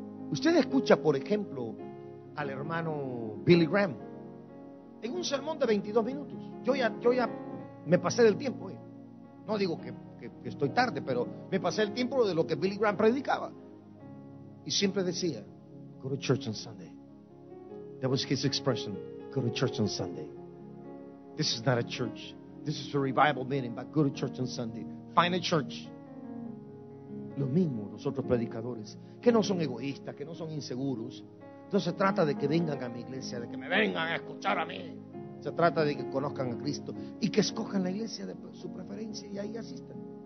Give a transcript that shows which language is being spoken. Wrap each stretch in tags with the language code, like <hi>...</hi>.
<es>Usted escucha, por ejemplo, al hermano Billy Graham en un sermón de 22 minutos. Yo ya me pasé del tiempo. No digo que estoy tarde, pero me pasé el tiempo de lo que Billy Graham predicaba. Y siempre decía,</es> <en>go to church on Sunday. That was his expression, go to church on Sunday. This is not a church. This is a revival meeting, but go to church on Sunday. Find a church.</en> <es>Lo mismo los otros predicadores, que no son egoístas, que no son inseguros. No se trata de que vengan a mi iglesia, de que me vengan a escuchar a mí. Se trata de que conozcan a Cristo y que escojan la iglesia de su preferencia y ahí asistan.</es>